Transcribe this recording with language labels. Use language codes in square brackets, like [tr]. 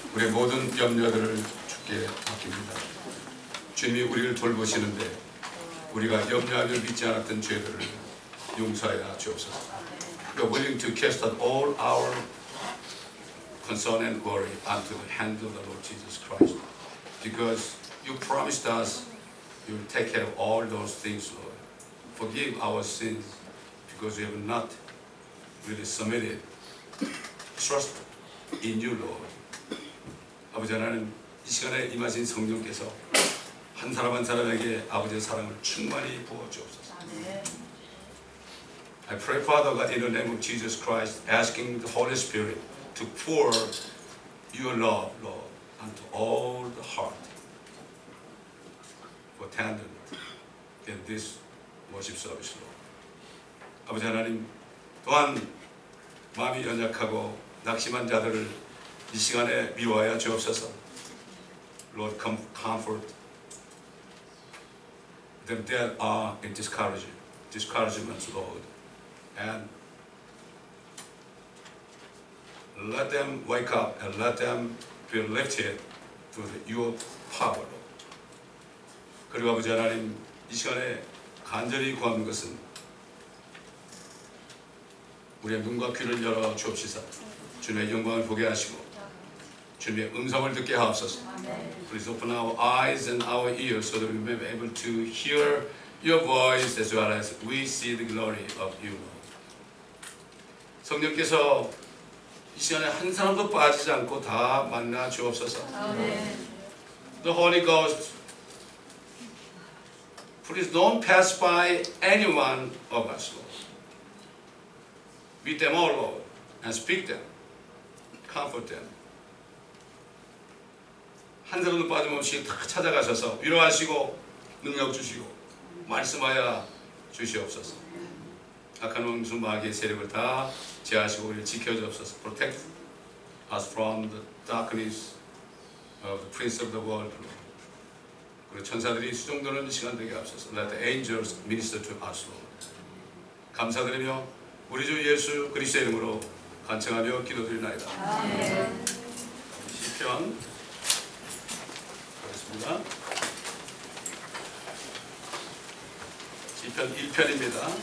[ko] 모든 염려들을 주께 맡깁니다. 주님이 우리를 돌보시는데 우리가 염려하며 믿지 않았던 죄들을 용서하여 주옵소서. [en] You're willing to cast all our concern and worry onto the hand of the Lord Jesus Christ. Because you promised us you'll take care of all those things, Lord. Forgive our sins because we have not really submitted. Trust in you, Lord. [ko] 아버지 하나님, 이 시간에 임하신 성령께서 한 사람 한 사람에게 아버지의 사랑을 충만히 부어주옵소서. [en] I pray, Father God, in the name of Jesus Christ, asking the Holy Spirit to pour your love, Lord, onto all the heart for tenderness in this worship service, Lord. [ko] 아버지 하나님, 또한 마음이 연약하고 낙심한 자들을 이 시간에 미워하여 주옵소서. [en] Lord, comfort them that are in discouragement, Lord. And let them wake up and let them be lifted through your power, Lord. [ko] 그리고 아버지 하나님, 이 시간에 간절히 구하는 것은 우리의 눈과 귀를 열어 주옵시사 주님의 영광을 보게 하시고 주님의 음성을 듣게 하옵소서. [en] Please open our eyes and our ears so that we may be able to hear your voice as well as we see the glory of you, Lord. [ko] 성령께서 이 시간에 한 사람도 빠지지 않고 다 만나 주옵소서. [en] The Holy Ghost, please don't pass by anyone of us, Lord. Meet them all, Lord, and speak them, comfort them. [ko] 한 사람도 빠짐없이 다 찾아가셔서 위로하시고 능력 주시고 말씀하여 주시옵소서. 악한 원수 마귀의 세력을 다 제하시고 우리를 지켜주옵소서. [en] Protect us from the darkness of the prince of the world. [ko] 그리고 천사들이 수종되는 시간 되게 하옵소서. [en] Let the angels minister to us, Lord. [ko] 감사드리며 우리 주 예수 그리스도의 이름으로 간청하며 기도드리나이다. 아멘. 시편 시편 1편입니다.